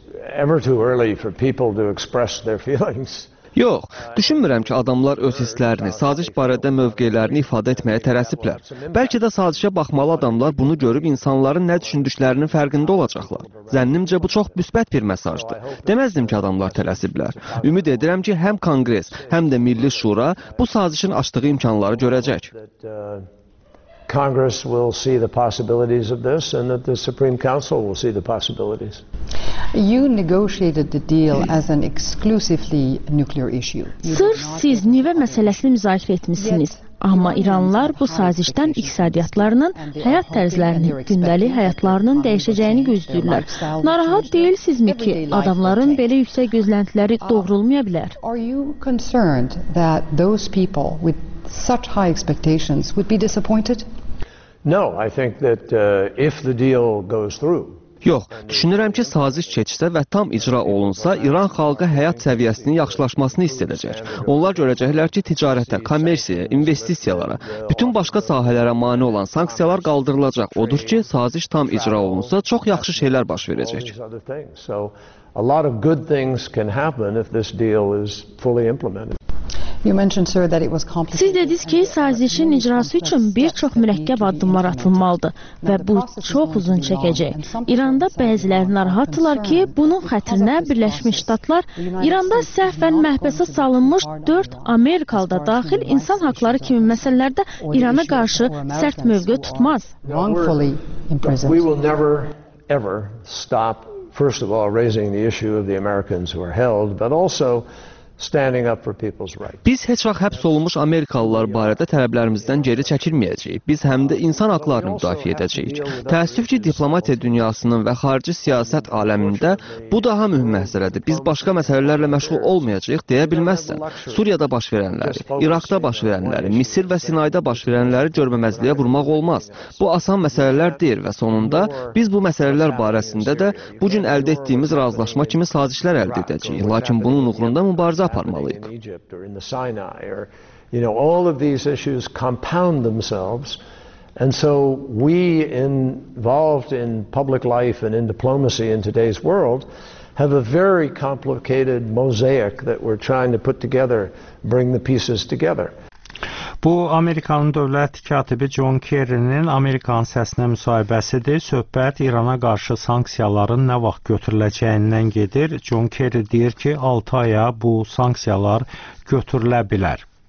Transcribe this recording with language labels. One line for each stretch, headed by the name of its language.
English: ever too early for people to express their feelings.
Azerbaijani: Yox, düşünmürəm ki, adamlar öz hisslərini, saziş barədə mövqelərini ifadə etməyə tərəsiblər. Bəlkə də sazişə baxmalı adamlar bunu görüb insanların nə düşündüklərinin fərqində olacaqlar. Zənnimcə, bu çox müsbət bir mesajdır. Deməzdim ki, adamlar tələsiblər. Ümid edirəm ki, həm Konqres, həm də Milli Şura bu sazişin açdığı imkanları görəcək.
English: Congress will see the possibilities of this and that the Supreme Council will see the possibilities. You negotiated the deal as an exclusively nuclear issue.
Azerbaijani: Sırf siz nüvə məsələsini müzakirə etmişsiniz. Amma İranlılar bu sazişdən iqtisadiyyatlarının, həyat tərzlərinin, gündəli həyatlarının dəyişəcəyini gözləyirlər. Narahat deyilsizmi ki, adamların belə yüksək gözləntiləri doğrulmaya bilər?
English: Are you concerned that those people with such high expectations would be disappointed? No, I think that if the deal goes through.
Azerbaijani: Yox, düşünürəm ki, saziş keçsə və tam icra olunsa, İran xalqı həyat səviyyəsinin yaxşılaşmasını hiss edəcək. Onlar görəcəklər ki, ticarətə, kommersiyaya, investisiyalara, bütün başqa sahələrə mane olan sanksiyalar qaldırılacaq. Odur ki, saziş tam icra olunsa, çox yaxşı şeylər baş verəcək.
English: So, a lot of good things can happen if this deal is fully implemented. You mentioned, sir, that it was complicated.
Azerbaijani: Siz dediniz ki, sazişin icrası üçün bir çox mürəkkəb addımlar atılmalıdı və bu çox uzun çəkəcək. İranda bəziləri narahatdırlar ki, bunun xətrinə Birləşmiş Ştatlar İranda səhvən məhbəsə salınmış 4 Amerikalı da daxil insan haqları kimi məsələlərdə İrana qarşı sərt mövqe tutmaz.
English: We will never ever stop first of all raising the issue of the Americans who are held, but also standing up for people's rights.
Azerbaijani: Biz heç vaxt həbs olunmuş Amerikalılar barədə tələblərimizdən geri çəkilməyəcəyik. Biz həm də insan haqlarını müdafiə edəcəyik. Təəssüf ki, diplomatiya dünyasının və xarici siyasət aləmində bu daha mühüm məsələdir. Biz başqa məsələlərlə məşğul olmayacağıq deyə bilməzsən. Suriyada baş verənləri, İraqda baş verənləri, Misir və Sinayda baş verənləri görməməzliyə vurmaq olmaz. Bu asan məsələlər deyil və sonunda biz bu məsələlər barəsində də bu gün əldə etdiyimiz razılaşma kimi sazişlər əldə edəcəyik. Lakin bunun uğrunda mübarizə aparmalıyıq.
English: Egypt or in the Sinai or, you know, all of these issues compound themselves, and so we involved in public life and in diplomacy in today's world have a very complicated mosaic that we're trying to put together, bring the pieces together.
Azerbaijani: Bu, Amerikanın dövlət katibi John Kerry'nin Amerikan səsinə müsahibəsidir. Söhbət İrana qarşı sanksiyaların nə vaxt götürüləcəyindən gedir. John Kerry deyir ki, 6 aya bu sanksiyalar götürülə bilər.